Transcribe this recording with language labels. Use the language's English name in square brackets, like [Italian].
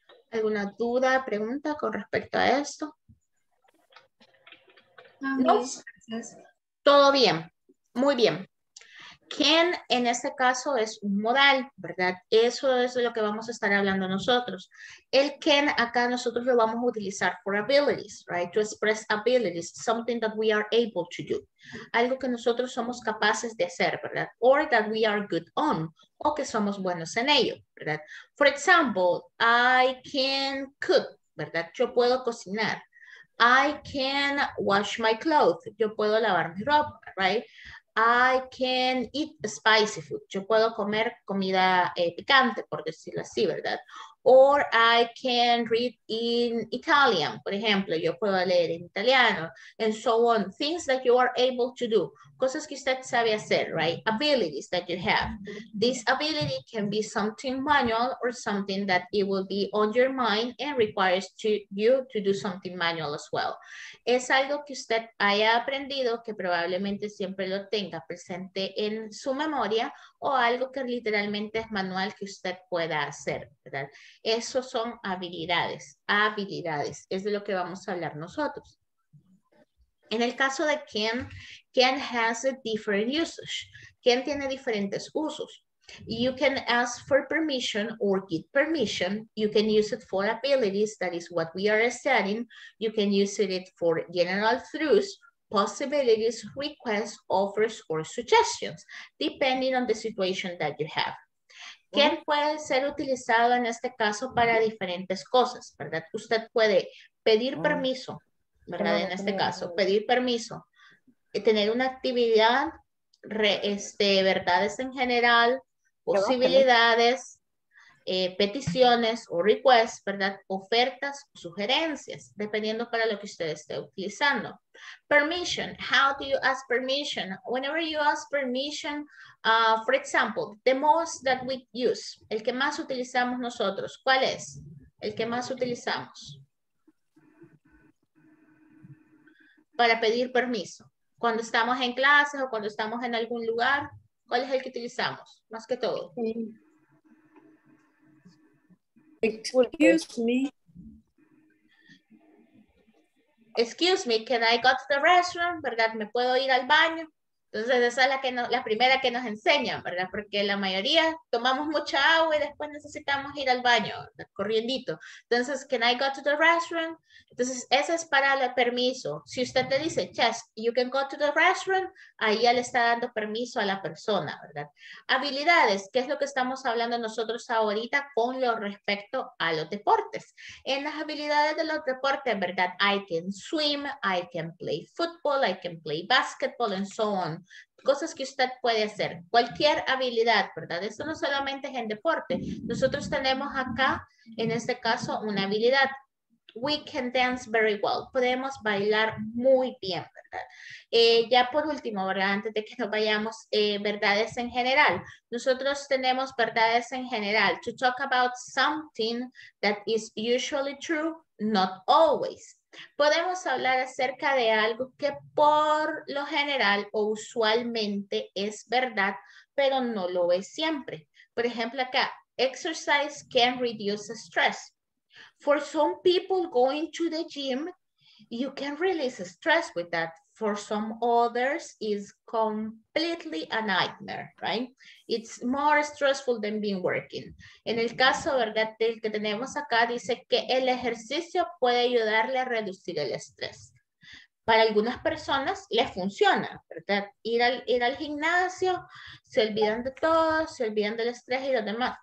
[Spanish] ¿Alguna duda, pregunta con respecto a esto? No. Todo bien, muy bien. Can en este caso es un modal, ¿verdad? Eso es de lo que vamos a estar hablando nosotros. El can acá nosotros lo vamos a utilizar [English] for abilities, right? To express abilities, something that we are able to do. [Spanish] Algo que nosotros somos capaces de hacer, ¿verdad? [English] Or that we are good on, [Spanish] o que somos buenos en ello, ¿verdad? [English] For example, I can cook, [Spanish] ¿verdad? Yo puedo cocinar. [English] I can wash my clothes. [Spanish] Yo puedo lavar mi ropa, [English] right? I can eat spicy food. [Spanish] Yo puedo comer comida picante, por decirlo así, ¿verdad? [English] Or I can read in Italian, [Spanish] por ejemplo. Yo puedo leer en italiano, [English] and so on. Things that you are able to do. [Spanish] Cosas que usted sabe hacer, [English] right? Abilities that you have. This ability can be something manual or something that it will be on your mind and requires you to do something manual as well. [Spanish] Es algo que usted haya aprendido, que probablemente siempre lo tenga presente en su memoria, o algo que literalmente es manual que usted pueda hacer, ¿verdad? Esos son habilidades, habilidades, es de lo que vamos a hablar nosotros. En el caso de [English] can, can has a different usage. [Spanish] Can tiene diferentes usos. [English] You can ask for permission or get permission. You can use it for abilities, that is what we are studying. You can use it for general truths, possibilities, requests, offers, or suggestions, depending on the situation that you have. [Spanish] Can puede ser utilizado en este caso para diferentes cosas, ¿verdad? Usted puede pedir permiso, ¿verdad? En este caso, pedir permiso, tener una actividad, verdades en general, posibilidades, peticiones o requests, ¿verdad? Ofertas o sugerencias, dependiendo para lo que usted esté utilizando. [English] Permission. How do you ask permission? Whenever you ask permission, for example, the most that we use, [Spanish] el que más utilizamos nosotros, ¿cuál es? El que más utilizamos. Para pedir permiso. Cuando estamos en clases o cuando estamos en algún lugar, ¿cuál es el que utilizamos? Más que todo. [English] Excuse me. Excuse me, can I go to the restroom? [Spanish] ¿Verdad? ¿Me puedo ir al baño? Entonces esa es la, que no, la primera que nos enseñan, ¿verdad? Porque la mayoría tomamos mucha agua y después necesitamos ir al baño, ¿verdad? Corriendito. Entonces, [English] can I go to the restroom? [Spanish] Entonces, ese es para el permiso. Si usted te dice, [English] yes, you can go to the restroom, [Spanish] ahí ya le está dando permiso a la persona, ¿verdad? Habilidades, ¿qué es lo que estamos hablando nosotros ahorita con lo respecto a los deportes? En las habilidades de los deportes, ¿verdad? I can swim, I can play football, I can play basketball, and so on. Cosas que usted puede hacer, cualquier habilidad, ¿verdad? Esto no solamente es en deporte. Nosotros tenemos acá, en este caso, una habilidad. We can dance very well. Podemos bailar muy bien, ¿verdad? Ya por último, ¿verdad? Antes de que nos vayamos, verdades en general. Nosotros tenemos verdades en general. [English] To talk about something that is usually true, not always. [Spanish] Podemos hablar acerca de algo que por lo general o usualmente es verdad, pero no lo es siempre. Por ejemplo acá, [English] exercise can reduce stress. For some people going to the gym, you can release stress with that. For some others, it's completely a nightmare, right? It's more stressful than being working. [Spanish] En el caso, ¿verdad? Del que tenemos acá, dice que el ejercicio puede ayudarle a reducir el estrés. Para algunas personas les funciona, ¿verdad? Ir al gimnasio, se olvidan de todo, se olvidan del estrés y los demás.